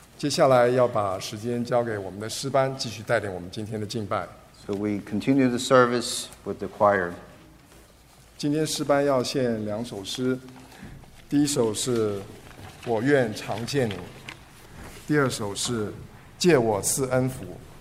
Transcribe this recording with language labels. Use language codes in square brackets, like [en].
[zh] 接下来要把时间交给我们的诗班，继续带领我们今天的敬拜。 [en] So we continue the service with the choir. [zh] 今天诗班要献两首诗，第一首是我愿常见你，第二首是借我赐恩福。